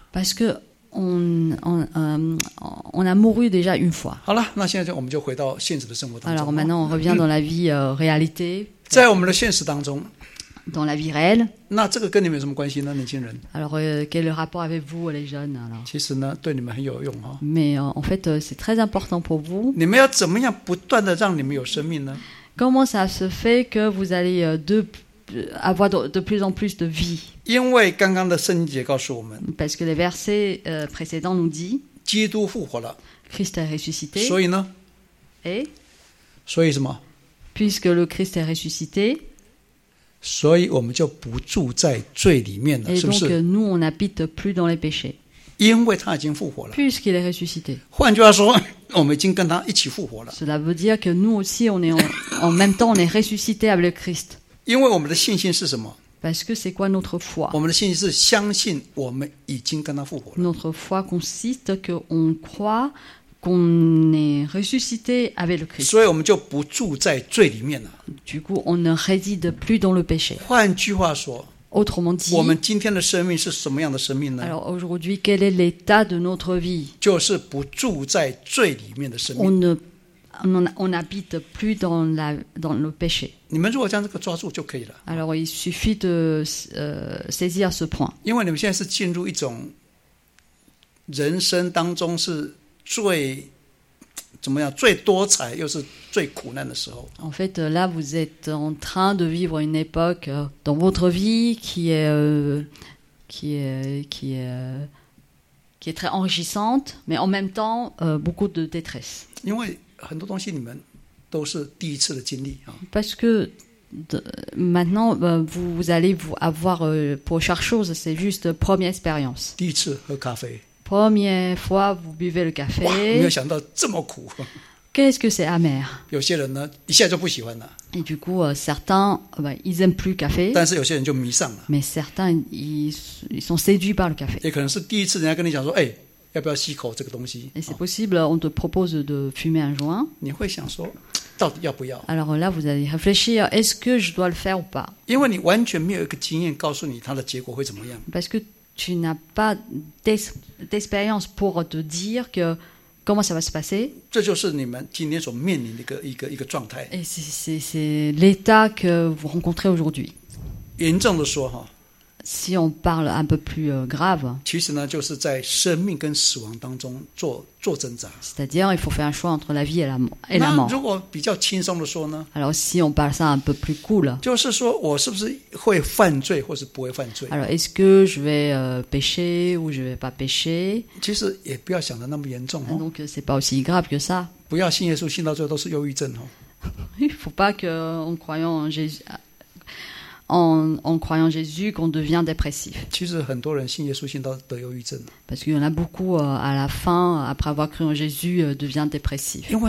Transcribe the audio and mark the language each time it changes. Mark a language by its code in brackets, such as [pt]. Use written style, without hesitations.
[fr] Parce que on a mouru déjà une fois. [zh] 好了那现在我们就回到现实的生活当中。 [fr] Alors maintenant, on revient dans la vie réalité. [zh] 在我们的现实当中 [fr] dans la vie réelle [zh] 那这个跟你们有什么关系呢年轻人 [fr] alors quel rapport avez-vous les jeunes alors? [zh] 其实呢对你们很有用、哦、 [fr] mais en fait c'est très important pour vous [zh] 你们要怎么样不断的让你们有生命呢 [fr] comment ça se fait que vous allez avoir de plus en plus de vie [zh] 因为刚刚的圣经节告诉我们 [fr] parce que les versets précédents nous dit [zh] 基督复活了 [fr] Christ est ressuscité [zh] 所以呢 [fr] et [zh] 所以什么 [fr] Puisque le Christ est ressuscité, [zh] 所以我们就不住在罪里面了 [fr] et donc, [zh] 是不是 [fr] nous, on n'habite plus dans les péchés. [zh] 因为他已经复活了 [fr] Puisqu'il est ressuscité. [zh] 换句话说我们已经跟他一起复活了 [fr] Cela veut dire que nous aussi, on est en même temps, on est ressuscité avec le Christ. [zh] 因为我们的信心是什么 [fr] Parce que c'est quoi notre foi? [zh] 我们的信心是相信我们已经跟他复活了 [fr] Notre foi consiste qu'on croit qu'on est ressuscité avec le Christ. [zh] 所以我们就不住在罪里面了。 [fr] Du coup, on ne réside plus dans le péché. [zh] 换句话说 [fr] Autrement dit, [zh] 我们今天的生命是什么样的生命呢 [fr] Alors aujourd'hui, quel est l'état de notre vie? [zh] 就是不住在罪里面的生命。 [fr] On n'habite plus dans le péché. [zh] 你们如果将这个抓住就可以了。 [fr] Alors il suffit de saisir ce point. [zh] 因为你们现在是进入一种人生当中是最怎么样最多彩又是最苦难的时候。 [fr] En fait, là, vous êtes en train de vivre une époque dans votre vie qui est très enrichissante, mais en même temps, beaucoup de détresse. [zh] 因为很多东西你们都是第一次的经历。 [fr] Parce que maintenant, vous allez vous avoir, pour chaque chose, c'est juste première expérience. [zh] 第一次喝咖啡。 [fr] Première fois, vous buvez le café. [zh] 没有想到这么苦。 [fr] Qu'est-ce que c'est amer? [zh] 有些人呢，一下就不喜欢了。 [fr] Et du coup, certains, ils aiment plus le café. [zh] 但是有些人就迷上了。 [fr] Mais certains, ils sont séduits par le café. [zh] 也可能是第一次人家跟你讲说，哎，要不要吸口这个东西？ [fr] Et c'est possible, on te propose de fumer un joint. [zh] 你会想说，到底要不要？ [fr] Alors là, vous allez réfléchir, est-ce que je dois le faire ou pas? [zh] 因为你完全没有一个经验告诉你它的结果会怎么样。 [fr] Parce que tu n'as pas d'expérience pour te dire que comment ça va se passer? [zh] 这就是你们今天所面临的一个状态。 [fr] Et c'est l'état que vous rencontrez aujourd'hui. [zh] 严重的说哈。 [fr] Si on parle un peu plus grave. [zh] 其实呢，就是在生命跟死亡当中做挣扎。 [fr] C'est-à-dire, il faut faire un choix entre la vie et la mort. [zh] 那如果比较轻松的说呢？ [fr] Alors, si on parle ça un peu plus cool. [zh] 就是说我是不是会犯罪，或是不会犯罪？ [fr] Alors, est-ce que je vais pécher ou je vais pas pécher? [zh] 其实也不要想得那么严重哦。 [fr] Donc, c'est pas aussi grave que ça. [zh] 不要信耶稣，信到最后都是忧郁症哦。 [fr] Il faut pas que, en croyant en Jésus. En croyant Jésus, qu'on devient dépressif. Parce qu'il y en a beaucoup à la fin, après avoir cru en Jésus, devient dépressif.